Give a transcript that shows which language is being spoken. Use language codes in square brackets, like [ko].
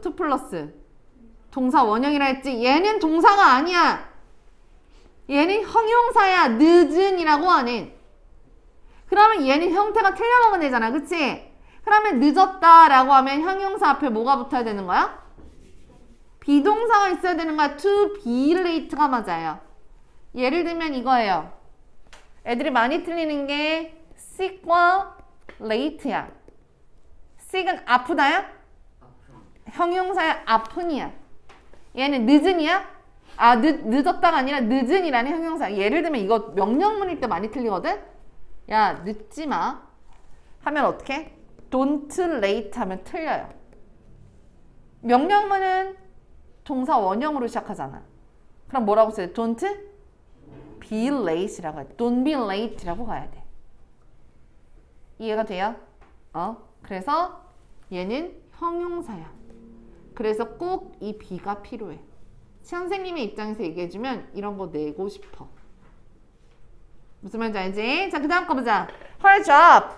[ko] 투 플러스 동사 원형이라 했지. 얘는 동사가 아니야. 얘는 형용사야. 늦은 이라고 하는. 그러면 얘는 형태가 틀려먹은 애잖아, 그치? 그러면 늦었다 라고 하면 형용사 앞에 뭐가 붙어야 되는 거야? 비동사가 있어야 되는 거야. [en] To be late [ko] 가 맞아요. 예를 들면 이거예요. 애들이 많이 틀리는 게 sick과 late야. sick은 아프다야? 형용사의 아픈이야. 얘는 늦은이야? 아, 늦었다가 아니라 늦은이라는 형용사. 예를 들면 이거 명령문일 때 많이 틀리거든? 야, 늦지 마. 하면 어떻게? [en] Don't late [ko] 하면 틀려요. 명령문은 동사 원형으로 시작하잖아. 그럼 뭐라고 써야 돼? [en] Don't be late [ko] 라고 해. [en] Don't be late [ko] 라고 가야 돼. 이해가 돼요? 어? 그래서 얘는 형용사야. 그래서 꼭 이 be가 필요해. 선생님의 입장에서 얘기해주면 이런 거 내고 싶어. 무슨 말인지 알지? 자, 그 다음 거 보자. [en] Her job.